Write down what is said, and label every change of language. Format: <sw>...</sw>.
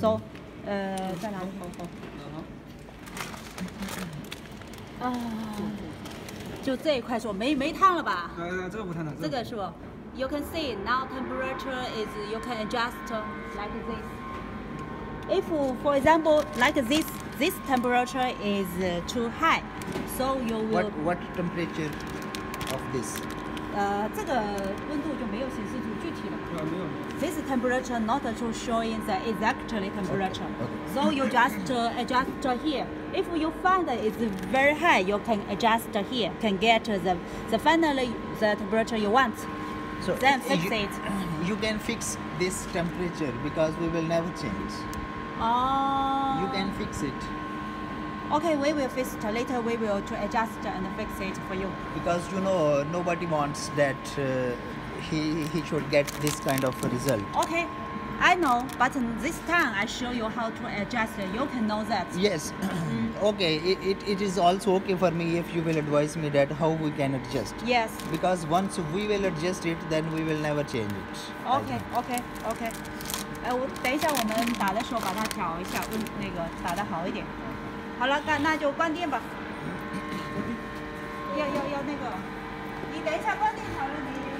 <zh>So, 再来就这一块是吧？没烫了吧？这个不烫了。这个是吧 ？</zh> <en>You can see now temperature is you can adjust like this. If for example like this temperature is too high, so you will. What temperature of this?</en> <zh>这个温度就没有显示出具体了。没有。</zh> <en>This temperature not to showing the exactly temperature. Okay. So you just adjust here. If you find it's very high, you can adjust here, can get the finally the temperature you want. So then fix it. You can fix this temperature because we will never change. You can fix it. Okay, we will fix it later. We will to adjust and fix it for you. Because you know, nobody wants that he should get this kind of result. Okay. I know, but this time I show you how to adjust it. You can know that. Yes. Okay, it is also okay for me if you will advise me that how we can adjust. Yes. Because once we will adjust it, then we will never change it. Okay.</en> <zh>等一下我们打的时候把它调一下，那个打得好一点。好了，那就关电吧。要那个，你等一下关电好了没？</zh>